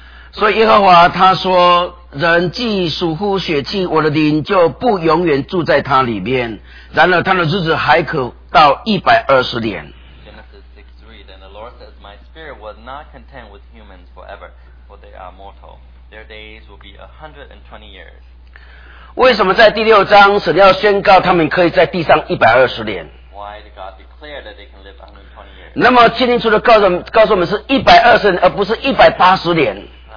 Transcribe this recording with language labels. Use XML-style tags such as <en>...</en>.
<zh>所以耶和华他说，人既属乎血气，我的灵就不永远住在他里面，然而他的日子还可到120年。</zh> <en>Genesis 6:3, then the Lord says, my spirit was not content with humans forever, for they are mortal. Their days will be 120 years.</en> <zh>为什么在第六章神要宣告他们可以在地上120年？</zh> <en>Why did God declare that they can live 120 years?</en> <zh>那么清清楚的告诉我们是120年，而不是180年。</zh>